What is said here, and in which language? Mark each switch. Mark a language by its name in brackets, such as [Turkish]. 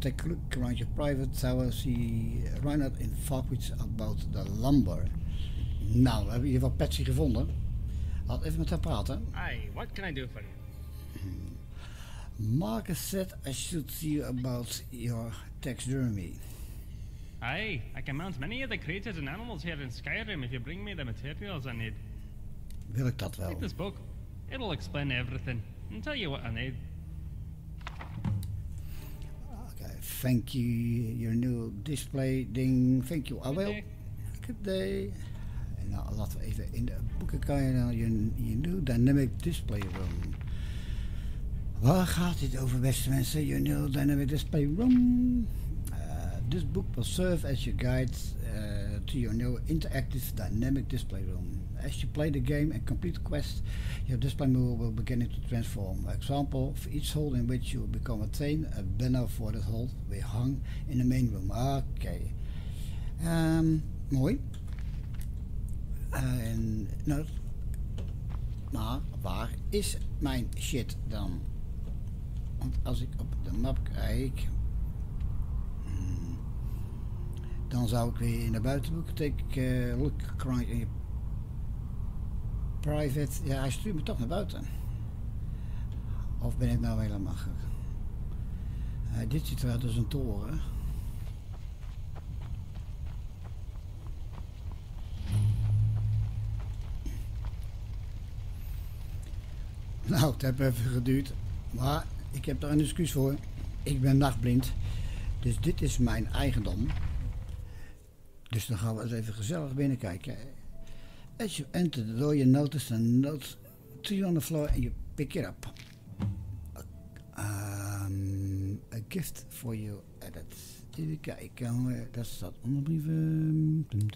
[English] Take a look around your private tower, see Reinhardt in Falkreath about the lumber. [Dutch] Nou, we hebben hier wat Patsy gevonden. Laat even met haar praten. [English] Hey, what can I do for you? Marcus said I should see you about your taxidermy. Hey, I can mount many of the creatures and animals here in Skyrim if you bring me the materials I need. [Dutch] Wil ik dat wel? [English] Read this book. It'll explain everything and tell you what I need. Okay, thank you. Your new display ding. Thank you. Good I will. Day. Good day. [Dutch] Nou, laten we even in de boeken kijken naar je [English] new dynamic display room. [Dutch] Waar gaat dit over, beste mensen? [English] Your new dynamic display room. This book will serve as your guide to your new interactive dynamic display room. As you play the game and complete quests, your display mode will begin to transform. For example, for each hold in which you become attained, a banner for that hold will hang in the main room. [Dutch] Okay. Mooi. En, nou, maar waar is mijn shit dan? Want als ik op de map kijk, dan zou ik weer naar buiten moeten. [English] Take a look, crying in your private. [Dutch] Ja, hij stuurt me toch naar buiten. Of ben ik nou helemaal gek? Dit ziet eruit als een toren. Nou, het heeft even geduurd. Maar ik heb er een excuus voor. Ik ben nachtblind. Dus dit is mijn eigendom. Dus dan gaan we eens even gezellig binnenkijken. [English] As you enter the door, you notice the notes to you on the floor and you pick it up. A gift for you added. [Dutch] Even kijken, dat staat onder brieven.